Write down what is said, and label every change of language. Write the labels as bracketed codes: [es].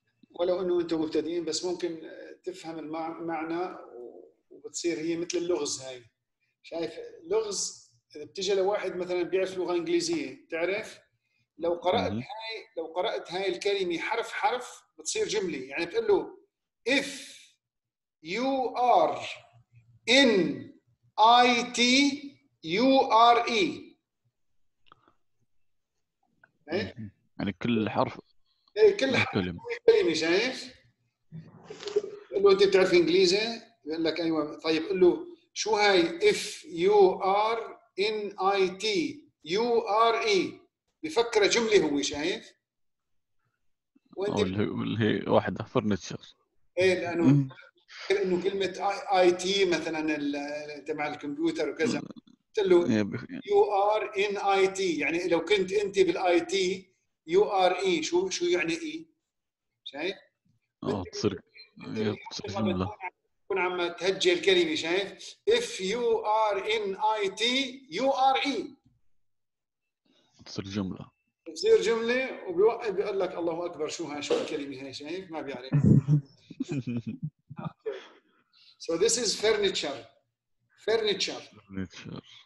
[ar] ولو أنه أنتم مبتدئين، بس ممكن تفهم المعنى وبتصير هي مثل اللغز. هاي شايف لغز، إذا بتجي لواحد مثلا بيعرف لغة إنجليزية، تعرف لو قرأت هاي، لو قرأت هاي الكلمة حرف حرف بتصير جملة. يعني بتقول له [en] if you are in IT, U R E. [ar] يعني كل حرف. إيه كل حرف. كلمة. كلمة شايف؟ لو أنت بتعرف إنجليزي يقول لك أيوة. طيب قل له شو هاي [en] if you are in IT, U R E. [ar] بفكر جملة هو شايف؟ واللي هي واحدة فرنتشر. إيه لأنه. إنه كلمة IT مثلاً تبع الكمبيوتر وكذا، قلت له [en] you are in IT، [ar] يعني لو كنت أنت بالIT [en] you are E. [ar] شو يعني E؟ شايف؟ تصير تكون عم تهجي الكلمة. شايف؟ [en] if you are in IT you are E. [ar] تصير جملة، تصير جملة، وبيوقف بيقول لك الله أكبر شو ها، شو الكلمة هاي؟ شايف؟ ما بيعرف. [en] So this is furniture. Furniture. Furniture.